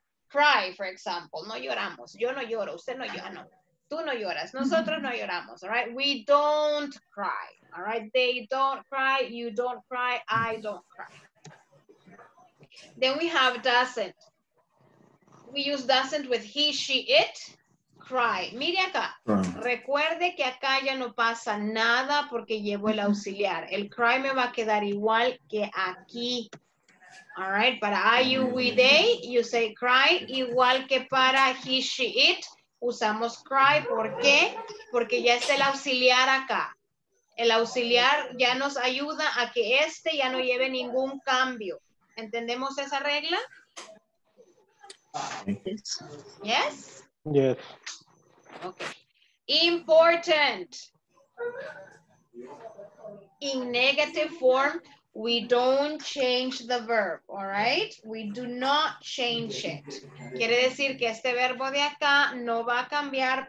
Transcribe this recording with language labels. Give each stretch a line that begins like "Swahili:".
English: Cry, for example.
Spanish: No lloramos. Yo no lloro. Usted no llora. No. Tú no lloras. Nosotros no lloramos.
English: All right. We don't cry. All right, they don't cry, you don't cry, I don't cry. Then we have doesn't. We use doesn't with he, she, it, cry.
Spanish: Mire acá, recuerde que acá ya no pasa nada porque llevo el auxiliar. El cry me va a quedar igual que aquí.
English: All right, para I, you, we, they, you say cry,
Spanish: igual que para
English: he, she, it,
Spanish: usamos
English: cry.
Spanish: ¿Por qué? Porque ya está el auxiliar acá. El auxiliar ya nos ayuda a que este ya no lleve ningún cambio. ¿Entendemos esa regla?
English: Yes. Yes. Yes. Okay. important. In negative form, we don't change the verb, all right? We do not change it.
Spanish: Quiere decir que este verbo de acá no va a cambiar.